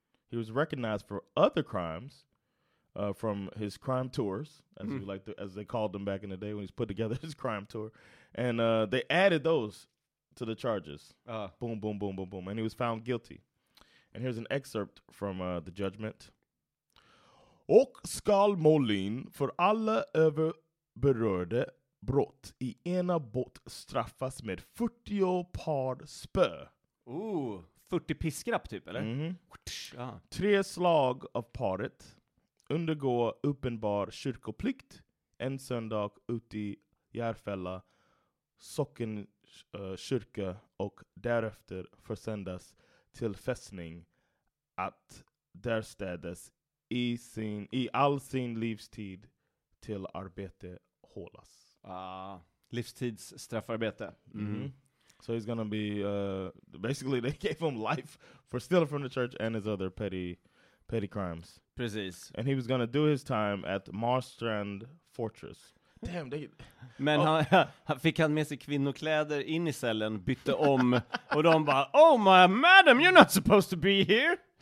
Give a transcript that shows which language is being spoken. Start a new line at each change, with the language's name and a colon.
English: He was recognized for other crimes from his crime tours, as they called them back in the day when he's put together his crime tour. And they added those to the charges. Boom, boom, boom, boom, boom. And he was found guilty. And here's an excerpt from the judgment.
Swedish: Och skall Molin för alla över berörde brott i ena båt straffas med 40 par spö. Ooh. 40 piskrapp typ, eller? Tre slag av paret undergå uppenbar kyrkoplikt en söndag ute i Järfälla socken kyrka och därefter försändas till fästning att där städas i all sin livstid till arbete hållas. Livstids straffarbete.
English: So he's going to be, basically they gave him life for stealing from the church and his other petty crimes.
Swedish: Precis.
English: And he was going to do his time at Marstrand Fortress. Damn, they...
Swedish: Men han fick han med sig kvinnokläder in i cellen, bytte om, och de bara,
English: oh my madam, you're not supposed to be here.